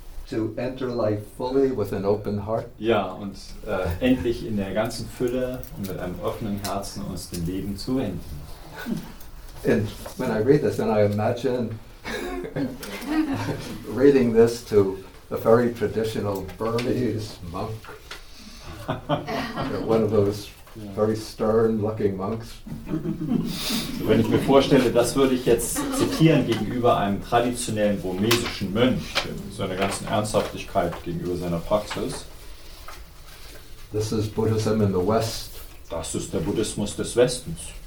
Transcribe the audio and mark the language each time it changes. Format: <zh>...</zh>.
<en>To enter life fully with an open heart.</en> <de>Ja, und endlich in der ganzen Fülle und mit einem offenen Herzen uns dem Leben zuwenden.</de> <en>And when I read this, then I imagine reading this to a very traditional Burmese monk. One of those very stern-looking monks.</en> <de>So, wenn ich mir vorstelle, das würde ich jetzt zitieren gegenüber einem traditionellen burmesischen Mönch, seiner ganzen Ernsthaftigkeit gegenüber seiner Praxis.</de> <en>This is Buddhism in the West.</en> <de>Das ist der Buddhismus des Westens.</de>